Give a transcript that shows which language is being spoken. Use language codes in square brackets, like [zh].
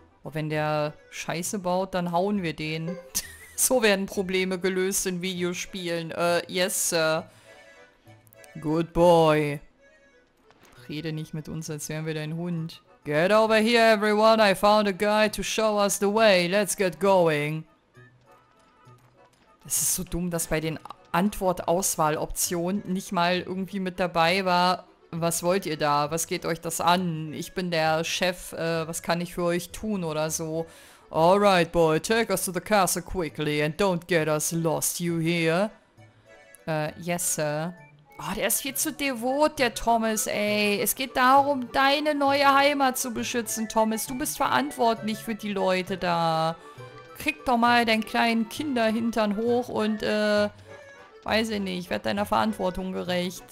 [de] Aber wenn der Scheiße baut, dann hauen wir den. So werden Probleme gelöst in Videospielen. [en] Yes, sir. Good boy. [de] Rede nicht mit uns, als wären wir dein Hund. [en] Get over here, everyone. I found a guy to show us the way. Let's get going. [de] Das ist so dumm, dass bei den Antwort-Auswahl-Optionen nicht mal irgendwie mit dabei war. Was wollt ihr da? Was geht euch das an? Ich bin der Chef. Was kann ich für euch tun oder so? [en] Alright, boy. Take us to the castle quickly and don't get us lost, you hear? Yes, sir. [de] Oh, der ist viel zu devot, der Thomas, ey. Es geht darum, deine neue Heimat zu beschützen, Thomas. Du bist verantwortlich für die Leute da. Krieg doch mal deinen kleinen Kinderhintern hoch und, weiß ich nicht, werd deiner Verantwortung gerecht.